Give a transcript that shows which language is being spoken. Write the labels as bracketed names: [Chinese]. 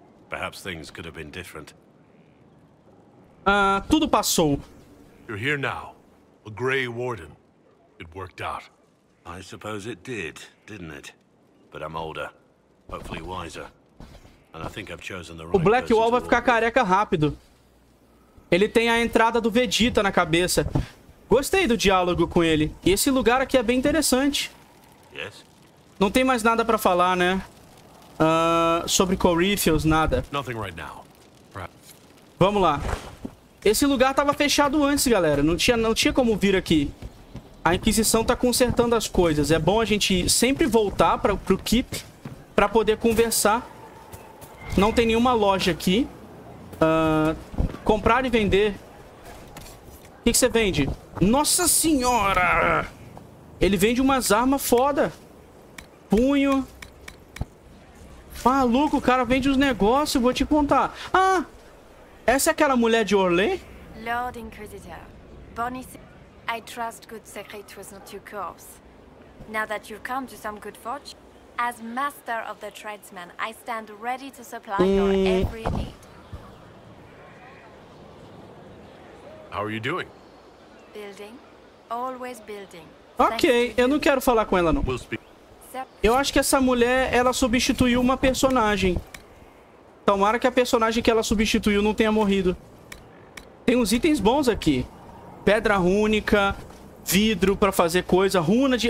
[English] Perhaps things could have been different. [Portuguese] Tudo passou. [English] You're here now, a Grey Warden. It worked out. I suppose it did, didn't it? But I'm older, hopefully wiser. And I think I've chosen the right [Portuguese] person. O Blackwall vai ficar careca rápido. Ele tem a entrada do Vegeta na cabeça. Gostei do diálogo com ele. E esse lugar aqui é bem interessante. [English] Yes. [Portuguese] Não tem mais nada pra falar, né? Sobre Corypheus, nada. [English] Nothing right now. [Portuguese] Vamos lá. Esse lugar tava fechado antes, galera. Não tinha como vir aqui. A Inquisição tá consertando as coisas. É bom a gente sempre voltar pro Keep pra poder conversar. Não tem nenhuma loja aqui. Comprar e vender. O que você vende? Nossa senhora! Ele vende umas armas foda. Punho. Maluco, o cara vende uns negócios, vou te contar. Ah! Essa é aquela mulher de Orlais? [English] Lord Inquisitor, Bonnie. I trust good secret was not your corpse. Now that you've come to some good fortune, as master of the tradesmen, I stand ready to supply your every need. How are you doing? Building, always building. [Portuguese] Ok, eu não quero falar com ela não. Eu acho que essa mulher, ela substituiu uma personagem. Tomara que a personagem que ela substituiu não tenha morrido. Tem uns itens bons aqui. Pedra rúnica, vidro pra fazer coisa, runa de...